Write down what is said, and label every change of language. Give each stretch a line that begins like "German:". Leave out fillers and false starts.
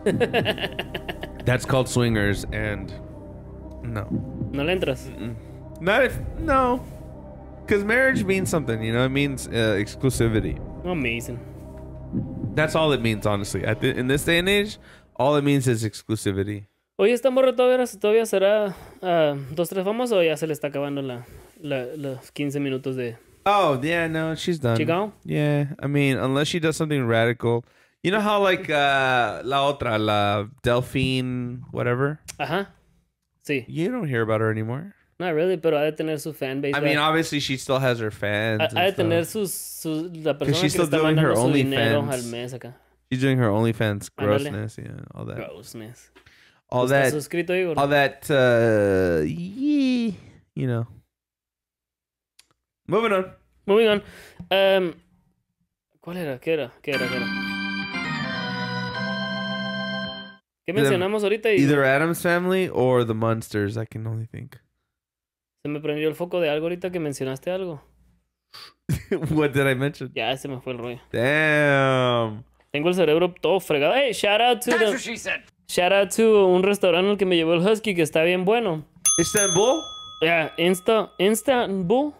English: That's called swingers, and no.
Spanish: No le entras.
English: Mm-mm. Not if no, because marriage means something. You know, it means exclusivity. Amazing. That's all it means, honestly. In this day and age, all it means is exclusivity.
Spanish: Oye, esta morra todavía será dos tres famosos, o ya se le está acabando los 15 minutos de.
English: Oh yeah, no, she's done.
Spanish: Chico?
English: Yeah, I mean, unless she does something radical. You know how, like,
Spanish: la otra,
English: la Delphine, whatever?
Spanish: Uh-huh. Sí.
English: You don't hear about her anymore. Not really,
Spanish: pero ha de tener su
English: fan base. I mean, obviously, she still has her fans.
Spanish: Ha de tener su la persona que está mandando
English: her
Spanish: su only dinero fans. Al mes acá.
English: She's doing her OnlyFans. Grossness, yeah, all that. Grossness. All that.
Spanish: ¿Estás suscrito, Igor?
English: All that, you know. Moving on.
Spanish: ¿Cuál era? ¿Qué era? ¿Qué era? ¿Qué era? ¿Qué mencionamos ahorita?
English: Either Adam's Family or the Munsters, I can only think.
Spanish: Se me prendió el foco de algo ahorita que mencionaste algo.
English: What did I mention?
Spanish: Ya, se me fue el rollo.
English: Damn.
Spanish: Tengo el cerebro todo fregado.
English: Hey, shout out to
Spanish: un restaurante que me llevó el Husky que está bien bueno.
English: Istanbul? Yeah, Istanbul?